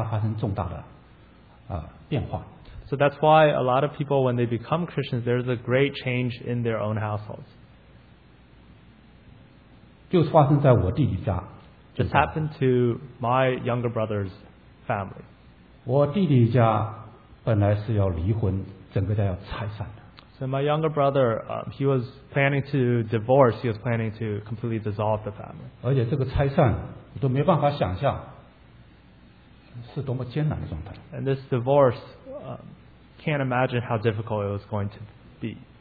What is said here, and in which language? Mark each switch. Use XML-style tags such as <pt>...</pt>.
<zh>所以是为什么有很多人信主,在他或他家发生重大的变化。</zh> <en>So that's why a lot of people, when they become Christians, there's a great change in their own households.</en> <zh>就发生在我弟弟家,</zh> <en>Just happened to my younger brother's family.</en> <zh>我弟弟家本来是要离婚,</zh> <en>So my younger brother, he was planning to divorce, he was planning to completely dissolve the family.</en> <zh>而且这个拆散,我都没办法想象是多么艰难的状态。</zh> <en>And this divorce, can't imagine how difficult it was going to be.</en>